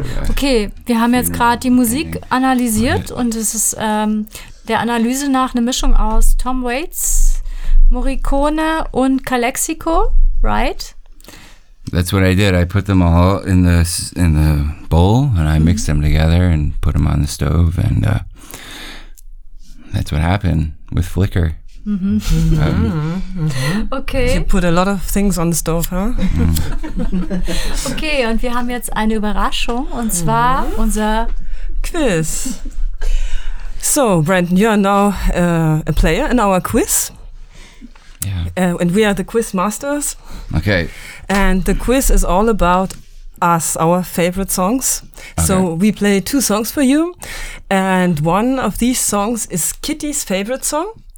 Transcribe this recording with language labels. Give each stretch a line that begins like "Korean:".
German: Okay, wir haben jetzt gerade die Musik analysiert und es ist der Analyse nach eine Mischung aus Tom Waits, Morricone und Calexico, right?
English: That's what I did. I put them all in the bowl and I mixed them together and put them on the stove and that's what happened with Flickr. Okay. You put a lot of things on the stove, huh?
German: Okay, und wir haben jetzt eine Überraschung und zwar unser Quiz.
English: So, Brandon, you are now a player in our quiz. Yeah. And we are the quiz masters. Okay. And the quiz is all about us, our favorite songs. Okay. So we play two songs for you. And one of these songs is Kitty's favorite song.